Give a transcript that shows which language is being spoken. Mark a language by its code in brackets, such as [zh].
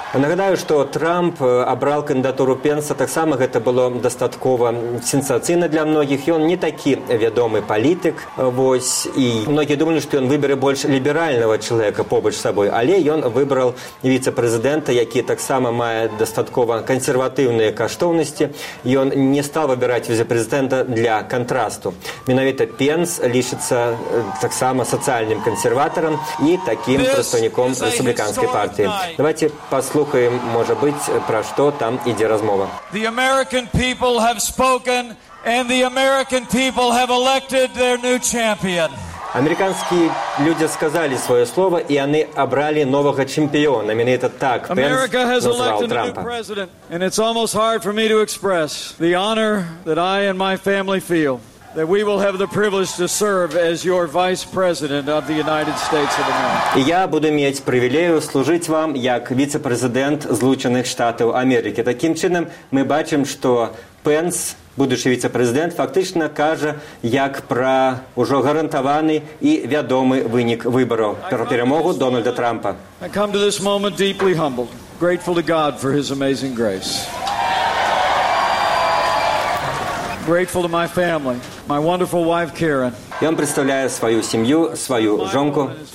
[be] Нагадаю, што Трамп абраў кандыдатуру Пенса, таксама гэта было дастаткова сенсацыйна для многіх, ён не такі вядомы палітык, вось, і многія думалі, што ён выбере больш ліберальнага чалавека побач сабой, але ён выбраў віцэ-прэзідэнта, які таксама мае дастаткова кансерватыўныя каштоўнасці, ён не стаў выбіраць віцэ-прэзідэнта для кантрасту. Менавіта Пенс лічыцца таксама сацыяльным кансерватарам і такім прадстаўніком рэспубліканскай партыі. Давайте паслухаем, можа быць, пра што там ідзе размова. [en] The American people have spoken and the American people have elected their new champion. [ru] Американские люди сказали своё слово, и они обрали нового чемпиона. Именно это так Пенс назвал Трампа. [en] And it's almost hard for me to express the honor that I and my family feel that we will have the privilege to serve as your vice president of the United States of America. [be] Я буду мець прывілею служыць вам як віцэ-прэзідэнт Злучаных Штатаў Амерыкі. Такім чынам, мы бачым, што Пенс, будучы віцэ-прэзідэнт, фактычна кажа, як пра ўжо гарантаваны і вядомы вынік выбараў пра перамогу Дональда Трампа. [en] I come to this moment deeply humbled, grateful to God for his amazing grace. Grateful to my family, my wonderful wife Karen. [be] Ён прадстаўляе сваю сям'ю, сваю жонку.